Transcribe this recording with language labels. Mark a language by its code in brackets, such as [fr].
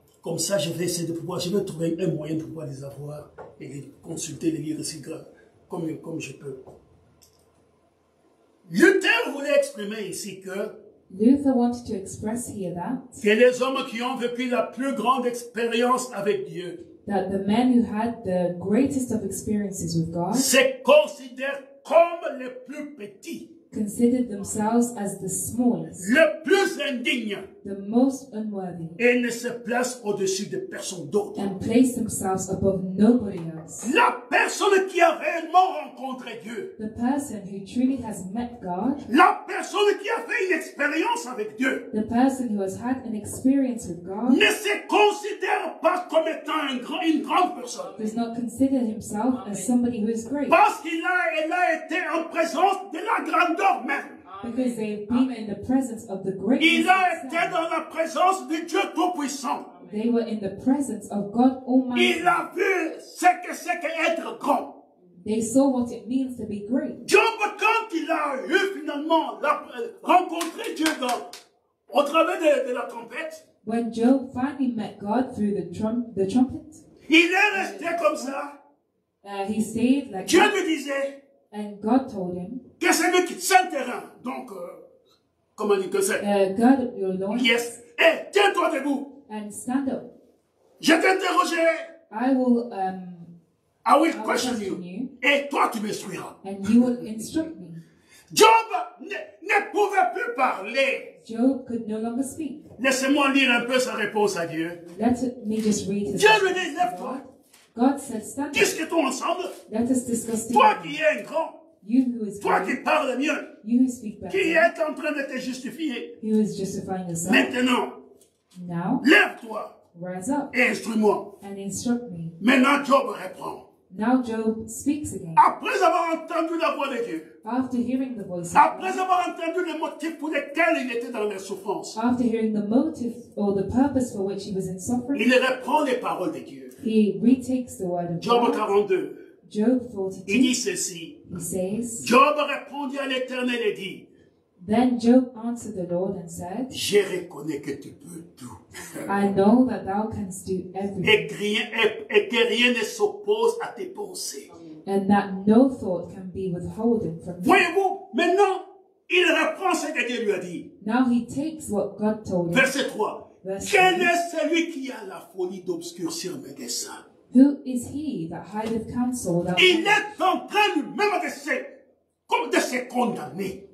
[fr] Comme ça, je vais essayer de pouvoir, je vais trouver un moyen de pouvoir les avoir et les consulter, les lire aussi comme je peux. Luther voulait exprimer ici que [en] Luther wanted to express here that [fr] que les hommes qui ont vécu la plus grande expérience avec Dieu [en] that the men who had the greatest of experiences with God [fr] se considèrent comme les plus petits [en] considered themselves as the smallest, [fr] le plus indigne, [en] the most unworthy, [fr] et ne se placent au-dessus de personne d'autre, [en] and place themselves above nobody else. [fr] La personne qui a réellement rencontré Dieu, [en] the person who truly has met God, [fr] la personne qui a fait une expérience avec Dieu, [en] the person who has had an experience with God, [fr] ne se considère pas comme étant une grande personne, [en] does not consider himself as somebody who is great, [fr] parce qu'il a, elle a été en présence de la grandeur même. [en] Because they have been in the presence of the greatness. [fr] Il a été dans la présence de Dieu Tout-Puissant. [en] They were in the presence of God Almighty. [fr] Il a vu ce que être grand. [en] They saw what it means to be great. [fr] Job, quand il a eu finalement rencontré Dieu au travers de la trompette, [en] when Job finally met God through the trumpet, [fr] il est resté comme ça. [en] He stayed like [fr] Dieu lui disait, [en] and God told him, [fr] que c'est lui qui s'interrompt. Donc, comment dire que c'est? [en] God, your Lord. Yes. [fr] Hey, tiens-toi debout. [en] And stand up. [fr] Je t'interrogerai. [en] I will question you. [fr] Et toi, tu m'instruiras. [en] And you will instruct me. [fr] Job ne pouvait plus parler. [en] Job could no longer speak. [fr] Laissez-moi lire un peu sa réponse à Dieu. [en] Let me just read his [fr] Dieu lui dit, lève-toi. [en] God said, stand up. [fr] Discutons ensemble. [en] Let us discuss [fr] toi qui es un grand. [en] You who is [fr] toi qui parles mieux, [en] you who speak better, [fr] qui est en train de te justifier, [en] you who is justifying yourself, [fr] maintenant, [en] now, [fr] lève-toi, [en] rise up, [fr] et instruis-moi, [en] and instruct me. [fr] Maintenant, Job répond. [en] Now Job speaks again. [fr] Après avoir entendu la voix de Dieu, [en] after hearing the voice, [fr] après avoir entendu le motif pour lequel il était dans les souffrances, [en] after hearing the motive or the purpose for which he was in suffering, [fr] il reprend les paroles de Dieu. [en] He retakes the word of Job God. [fr] 42. [en] Job 42. [fr] Il dit ceci. [en] He says, [fr] Job répondit à l'Éternel et dit, [en] then Job answered the Lord and said, [fr] je reconnais que tu peux tout. [en] I know that thou canst do everything. [fr] Et que rien ne s'oppose à tes pensées. [en] And that no thought can be withholden from you. [fr] Voyez-vous, maintenant, il reprend ce que Dieu lui a dit. [en] Now he takes what God told him. [fr] Verset 3. Quel est celui qui a la folie d'obscurcir mes desseins? [en] Who is he that hideth counsel that [fr] il est en train lui-même de se, comme de se condamner.